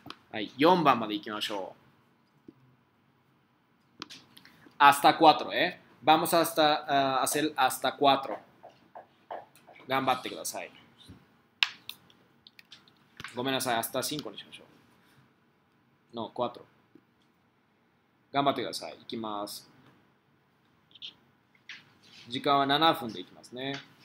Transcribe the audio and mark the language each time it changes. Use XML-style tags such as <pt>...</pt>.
<ja>はい、4番まで行きましょう。</ja> <es>Hasta cuatro, eh? Vamos hasta, hacer hasta cuatro.</es> <ja>頑張ってください。ごめんなさい、</ja> <es>hasta cinco</es> <ja>にしましょう。</ja> <es>No, cuatro.</es> <ja>頑張ってください。行きます。時間は7分で行きますね。</ja>